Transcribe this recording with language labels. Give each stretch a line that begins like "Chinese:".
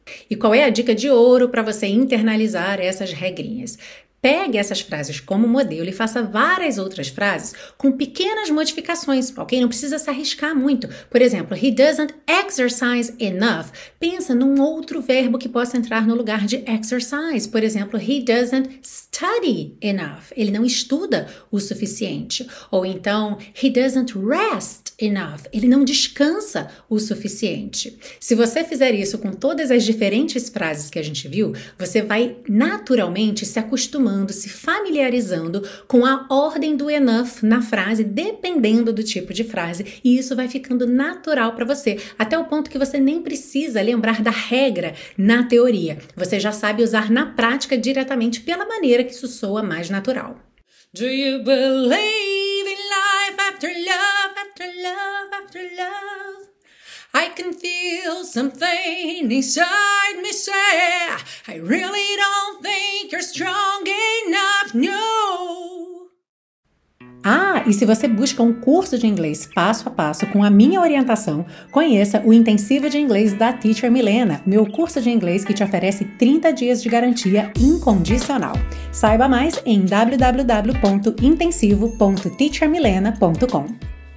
Portuguese: E qual é a dica de ouro para você internalizar essas regrinhas? Pegue essas frases como modelo e faça várias outras frases com pequenas modificações, ok? Não precisa se arriscar muito. Por exemplo,
English: he doesn't exercise enough.
Portuguese: Pensa num outro verbo que possa entrar no lugar de exercise. Por exemplo,
English: he doesn't study enough.
Portuguese: Ele não estuda o suficiente. Ou então,
English: he doesn't rest enough.
Portuguese: Ele não descansa o suficiente. Se você fizer isso com todas as diferentes frases que a gente viu, você vai naturalmente se acostumar se familiarizando com a ordem do enough na frase, dependendo do tipo de frase, e isso vai ficando natural para você, até o ponto que você nem precisa lembrar da regra na teoria. Você já sabe usar na prática diretamente pela maneira que isso soa mais natural.
English: Do you believe in life after love, after love, after love? I can feel something inside me say, I really don't think you're strong enough, no. Ah,
Portuguese: e se você busca um curso de inglês passo a passo com a minha orientação, conheça o Intensivo de Inglês da Teacher Milena, meu curso de inglês que te oferece 30 dias de garantia incondicional. Saiba mais em www.intensivo.teachermilena.com.